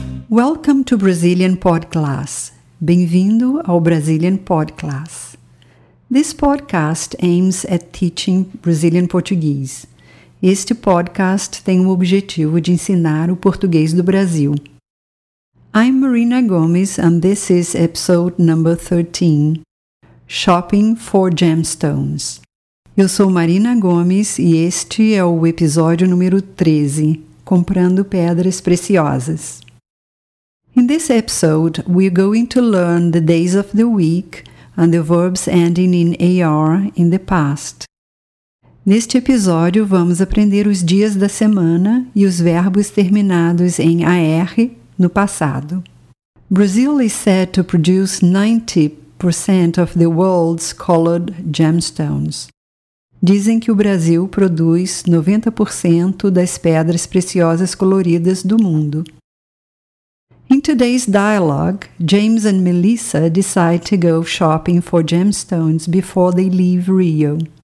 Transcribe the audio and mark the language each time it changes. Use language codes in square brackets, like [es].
[en] Welcome to Brazilian Podclass. [pt] Bem-vindo ao Brazilian Podclass. [en] This podcast aims at teaching Brazilian Portuguese. [pt] Este podcast tem o objetivo de ensinar o português do Brasil. [en] I'm Marina Gomes and this is episode number 13, Shopping for Gemstones. [pt] Eu sou Marina Gomes e este é o episódio número 13, Comprando Pedras Preciosas. [en] In this episode, we're going to learn the days of the week and the verbs ending in AR in the past. [pt] Neste episódio, vamos aprender os dias da semana e os verbos terminados em AR no passado. [en] Brazil is said to produce 90% of the world's colored gemstones. [pt] Dizem que o Brasil produz 90% das pedras preciosas coloridas do mundo. [en] In today's dialogue, James and Melissa decide to go shopping for gemstones before they leave Rio.